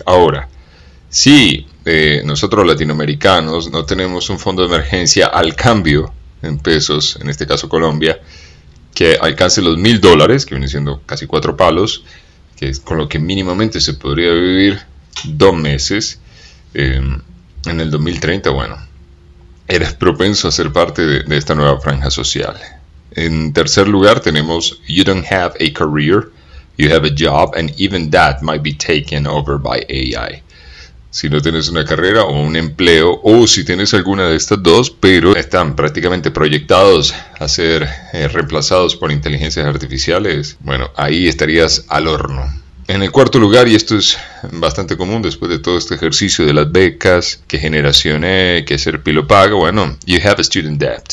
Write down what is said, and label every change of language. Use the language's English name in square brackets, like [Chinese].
[Spanish] Ahora, si nosotros latinoamericanos no tenemos un fondo de emergencia al cambio en pesos, en este caso Colombia, que alcance los $1,000, que viene siendo casi 4 palos, que es con lo que mínimamente se podría vivir 2 meses, en el 2030, bueno, eres propenso a ser parte de esta nueva franja social. En tercer lugar tenemos [English] you don't have a career, you have a job, and even that might be taken over by AI. [Spanish] Si no tienes una carrera o un empleo, o si tienes alguna de estas dos, pero están prácticamente proyectados a ser reemplazados por inteligencias artificiales, bueno, ahí estarías al horno. En el cuarto lugar, y esto es bastante común después de todo este ejercicio de las becas, que generación E, que ser pilo paga, bueno, [English] you have a student debt.